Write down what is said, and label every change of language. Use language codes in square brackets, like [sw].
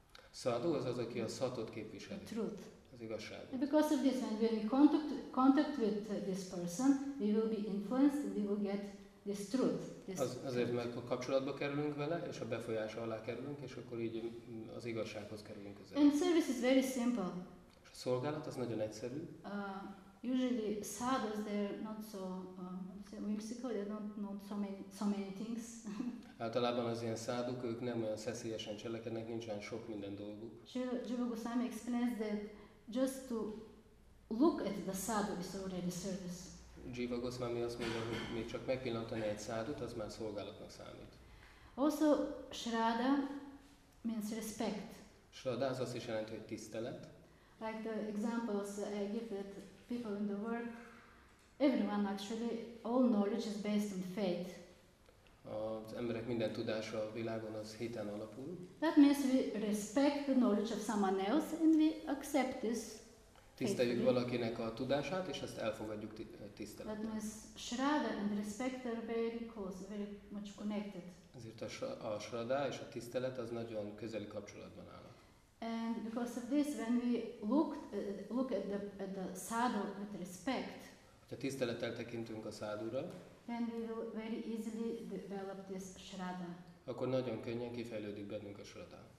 [hu] Sadhu az, aki a satot képviseli. [en] The truth. [hu] Az igazságot. [en] And because of this, when we contact with this person, we will be influenced and we will get this truth. [hu] Azért, mert a kapcsolatba kerülünk vele, és a befolyás alá kerülünk, és akkor így az igazsághoz kerülünk közel. [en] And service is very simple. [hu] És a szolgálat az nagyon egyszerű. [en] Usually sadhus, they're not so whimsical, they don't know so many things. [hu] Általában az ilyen sadhuk, ők nem olyan szeszélyesen cselekednek, nincsen sok minden dolguk. [en] Jiva Goswami explains that just to look at the sadhu is already service. [hu] Jiva Goswami azt mondja, hogy még csak megpillantani egy sadhut, az már szolgálatnak számít. [en] Also Shraddha means respect. [hu] Shraddha az azt is jelenti, hogy tisztelet. [en] Like the examples I give that people in the world, Everyone actually, all knowledge is based on faith. [hu] Az emberek minden tudása a világon az hiten alapul. [en] That means we respect the knowledge of someone else and we accept this. [hu] Tiszteljük valakinek a tudását és ezt elfogadjuk tisztelettel. [en] That means shraddha and respect are very close, very much connected. [hu] Ezért a shraddha és a tisztelet az nagyon közeli kapcsolatban áll. [en] And because of this, when we look at the sadhu with respect, [hu] hogyha tisztelettel tekintünk a sadhura, [en] then we will very easily develop this shraddha. [hu] Akkor nagyon könnyen kifejlődik bennünk a shraddha.